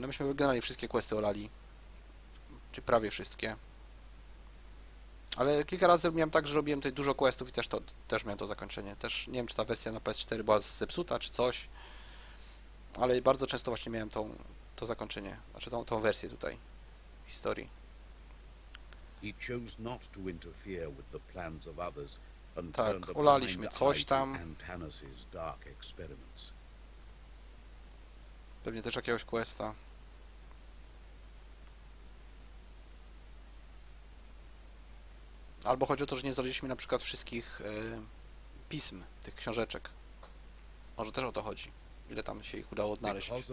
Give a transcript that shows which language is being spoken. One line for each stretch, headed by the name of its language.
Polish: No myśmy generalnie wszystkie questy olali. Czy prawie wszystkie. Ale kilka razy miałem tak, że robiłem tutaj dużo questów i też miałem to zakończenie. Też nie wiem, czy ta wersja na PS4 była zepsuta, czy coś. Ale bardzo często właśnie miałem to zakończenie. Znaczy tą wersję tutaj. Historii.
English: He chose not to interfere with the plans of others and
Polish: tak,
English: turned
Polish: olaliśmy coś tam.
English: Antanas's dark experiments.
Polish: Pewnie też jakiegoś questa. Albo chodzi o to, że nie znaleźliśmy na przykład wszystkich pism, tych książeczek. Może też o to chodzi. Ile tam się ich udało odnaleźć.